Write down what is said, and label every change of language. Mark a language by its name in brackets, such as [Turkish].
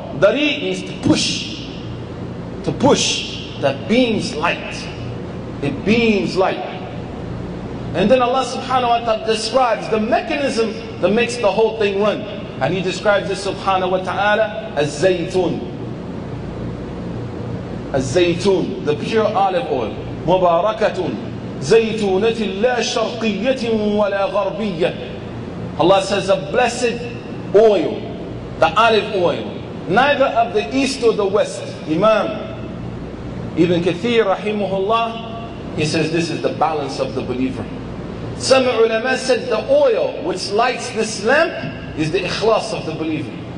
[Arabic] دَرِي [English] means to push. To push, that beams light. It beams light. And then Allah subhanahu wa ta'ala describes the mechanism that makes the whole thing run. And He describes it subhanahu wa ta'ala as زَيْتُون. الزيتون, the pure olive oil. [Arabic] مباركة زيتونة لا شرقية ولا غربية. [English] Allah says, a blessed oil, the olive oil, neither of the east or the west. Imam Ibn Kathir rahimahullah, he says this is the balance of the believer. Some ulama said the oil which lights this lamp is the ikhlas of the believer.